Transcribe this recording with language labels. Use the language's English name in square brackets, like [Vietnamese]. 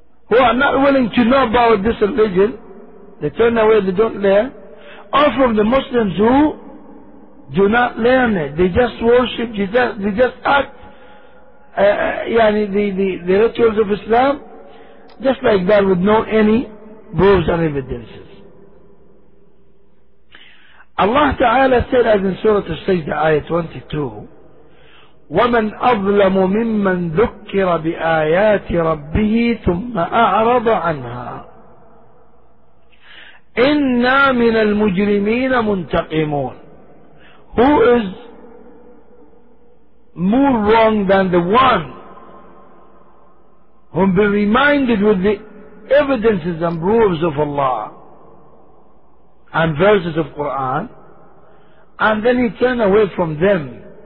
[English] who are not willing to know about this religion, they turn away, they don't learn, or from the Muslims who do not learn it, they just worship, they just act the rituals of Islam just like that with no any proofs and evidences. Allah Ta'ala said as in Surah Al-Sajdah Ayah 22, [Arabic] وَمَنْ أَظْلَمُ مِمَّنْ ذُكِّرَ بِآيَاتِ رَبِّهِ ثُمَّ أَعْرَضَ عَنْهَا إِنَّا مِنَ الْمُجْرِمِينَ مُنْتَقِمُونَ. [English] Who is more wrong than the one whom be reminded with the evidences and proofs of Allah and verses of Quran, and then he turn away from them?